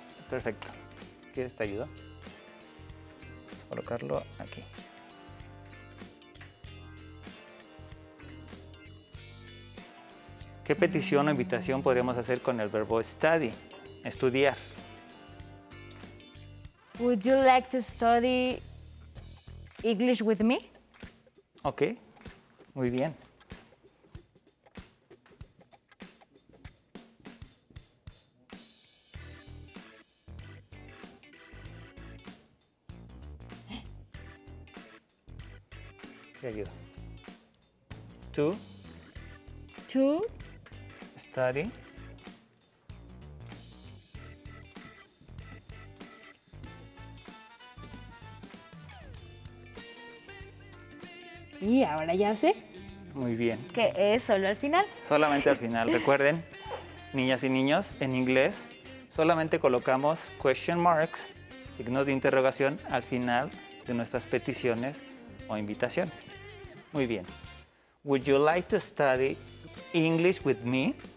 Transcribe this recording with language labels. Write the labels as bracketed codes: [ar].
[es] Perfecto. ¿Quieres te ayudo? Vamos a colocarlo aquí. ¿Qué petición o invitación podríamos hacer con el verbo study? Estudiar. [en] Would you like to study English with me? [es] Ok, muy bien. Te ayudo. [en] To study [es] y ahora ya sé. Muy bien. Que es solo al final. Solamente al final. Recuerden, niñas y niños, en inglés solamente colocamos question marks, signos de interrogación, al final de nuestras peticiones o invitaciones. Muy bien. [en] Would you like to study English with me?